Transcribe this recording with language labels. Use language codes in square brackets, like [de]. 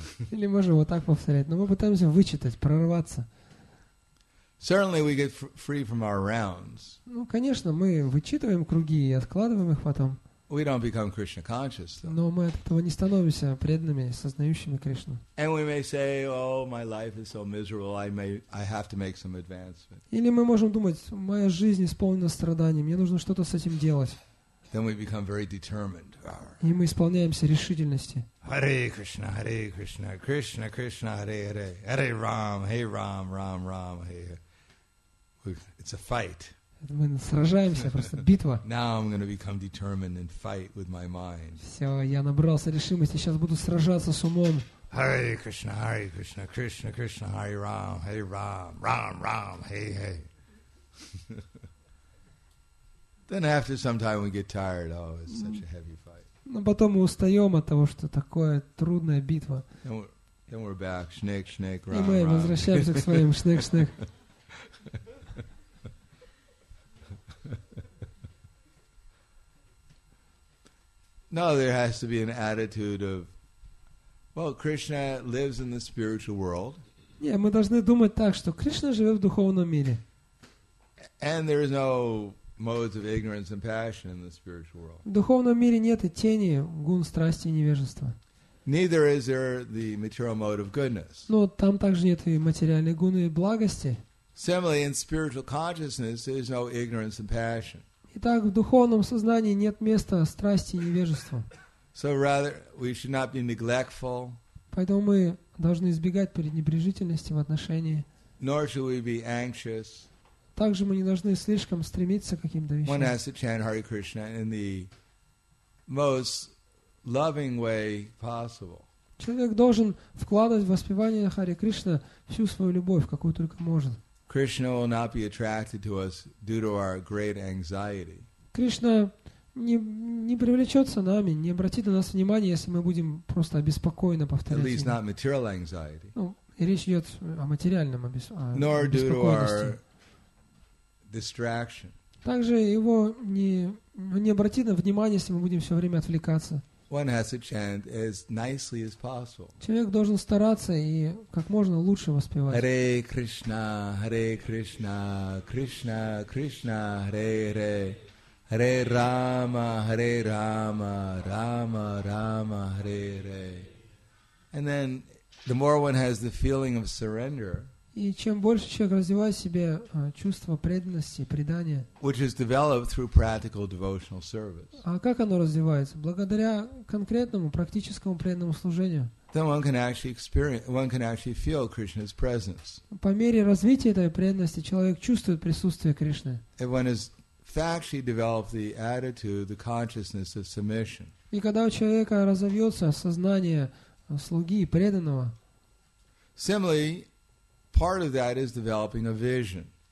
[ru] Или можем вот так повторять, но мы пытаемся вычитать, прорваться. [en] Certainly, we get free from our rounds. [ru] Ну, конечно, мы вычитываем круги и откладываем их потом. [en] We don't become Krishna conscious, though. [ru] Но мы от этого не становимся преданными, сознающими Кришну. [en] And we may say, "Oh, my life is so miserable. I have to make some advancement." [ru] Или мы можем думать: моя жизнь исполнена страданий. Мне нужно что-то с этим делать. [en] Then we become very determined. [ru] И мы исполняемся решительности. [sa] Hare Krishna, Hare Krishna, Krishna Krishna, Hare Hare, Hare Ram, Hey Ram, Ram Ram, Hey. [en] It's a fight. [ru] Мы сражаемся, просто битва. [en] Now I'm going to become determined and fight with my mind. [ru] Все, я набрался решимости, сейчас буду сражаться с умом. [sa] Hare Krishna, Krishna Krishna, Hare Ram, Hey Ram, Ram Ram, Hey Hey. [en] Then after some time we get tired. Oh, it's such a heavy fight. [ru] Но потом мы устаем от того, что такое трудная битва. [en] Then we're back, schnick, schnick, ram, [ru] и мы возвращаемся к своим шнек шнек. [en] No, there has to be an attitude of, well, Krishna lives in the spiritual world. [ru] Не, мы должны думать так, что Кришна живет в духовном мире. [en] And there is no modes of ignorance and passion in the spiritual world. [ru] В духовном мире нет и тени гун страсти и невежества. [en] Neither is there the material mode of goodness. [ru] Но там также нет и материальной гуны и благости. [en] Similarly, in spiritual consciousness, there is no ignorance and passion. [ru] Итак, в духовном сознании нет места страсти и невежества. [en] So rather, we should not be neglectful. [ru] Поэтому мы должны избегать пренебрежительности в отношении. [en] Nor should we be anxious. [ru] Также мы не должны слишком стремиться к каким-то вещам. [en] One has to chant Hare Krishna in the most loving way possible. [ru] Человек должен вкладывать в воспевание Харе Кришна всю свою любовь, какую только может. [en] Krishna will not be attracted to us due to our great anxiety. [ru] Кришна не привлечется нами, не обратит на нас внимания, если мы будем просто обеспокоены повторять. [en] At least not material anxiety. [ru] Ну, и речь идет о материальном обеспокоенности. [en] Nor due to our distraction. [ru] Также его не обратит на внимание, если мы будем все время отвлекаться. [en] One has to chant as nicely as possible. [ru] Человек должен стараться и как можно лучше воспевать. [sa] Hare Krishna, Hare Krishna, Krishna Krishna, Hare Hare, Hare Rama, Hare Rama, Rama Rama, Hare Hare. [en] And then, the more one has the feeling of surrender. [ru] И чем больше человек развивает в себе чувство преданности, предания, [en] which is developed through practical devotional service. [ru] А как оно развивается? Благодаря конкретному, практическому преданному служению. [en] Then one can actually experience, one can actually feel Krishna's presence. [ru] По мере развития этой преданности человек чувствует присутствие Кришны. [en] And one has factually developed the attitude, the consciousness of submission. [ru] И когда у человека разовьется сознание слуги и преданного, [en] similarly, part of that is developing a vision.